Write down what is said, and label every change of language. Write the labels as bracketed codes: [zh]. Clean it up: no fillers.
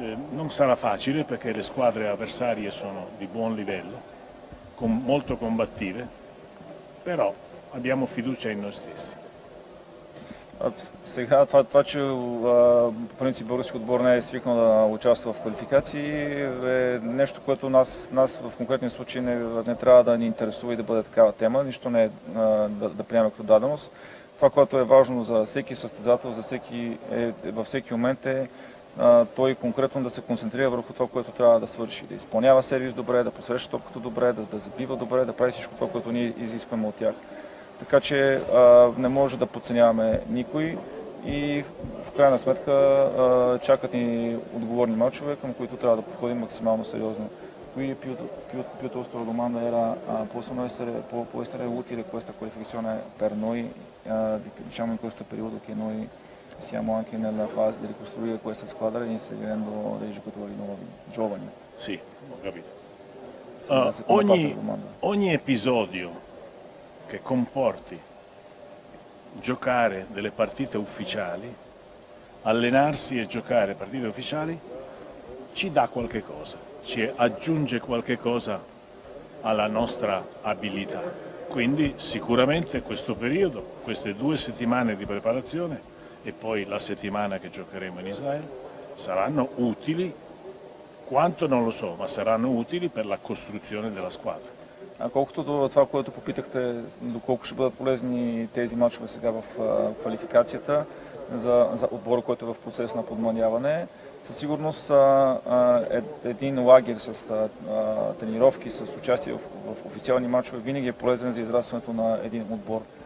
[it] Non sarà facile perché le squadre avversarie sono di buon livello, molto combattive, però abbiamo fiducia in noi stessi. [bg] Сега това, че по принцип българският отбор не е свикнал да участва в квалификации, е нещо, което нас в конкретния случай не трябва да ни интересува и да бъде такава тема, нищо не е да приемем като даденост. Това, което е важно за всеки състезател, във всеки момент е той конкретно да се концентрира върху това, което трябва да свърши. Да изпълнява сервис добре, да посреща топката добре, да забива добре, да прави всичко това, което ние изискваме от тях. Така че не може да подценяваме никой и в крайна сметка чакат ни отговорни мачове, към които трябва да подходим максимално сериозно. [it] Quindi piuttosto la domanda era, possono essere, può essere utile questa qualificazione per noi, diciamo in questo periodo che noi siamo anche nella fase di ricostruire questa squadra inserendo dei giocatori nuovi, giovani. Sì, ho capito. Ogni episodio che comporti giocare delle partite ufficiali, allenarsi e giocare partite ufficiali, ci dà qualche cosa, ci aggiunge qualche cosa alla nostra abilità. Quindi sicuramente questo periodo, queste 2 settimane di preparazione e poi la settimana che giocheremo in Israele saranno utili, quanto non lo so, ma saranno utili per la costruzione della squadra. [bg] А колкото до това, което попитахте, доколко ще бъдат полезни тези мачове сега в квалификацията за отбор, който е в процес на подмладяване, със сигурност един лагер с тренировки, с участие в официални мачове винаги е полезен за израстването на един отбор.